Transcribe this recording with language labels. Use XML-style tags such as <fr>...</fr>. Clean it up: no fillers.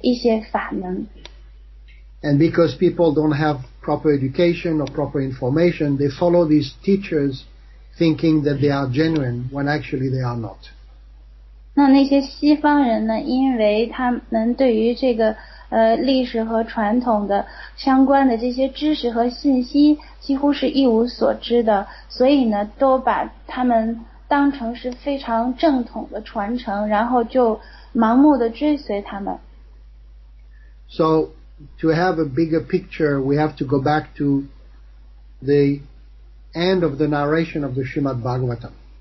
<zh>那么当时呢，有很多的所谓的大师，很多的guru都曾经去到了这些西方，然后基于印度的一些历史文化的这个传统呢，也就创造了他们自己的一些法门。</zh> <en>And because people don't have proper education or proper information, they follow these teachers thinking that they are genuine when actually they are not.</en> <zh>那些西方人呢，因为他们对于这个历史和传统的相关的这些知识和信息几乎是一无所知的，所以呢，都把他们当成是非常正统的传承，然后就盲目的追随他们。</zh> <en>So to have a bigger picture, we have to go back to the end of the narration of the Srimad Bhagavatam.</en>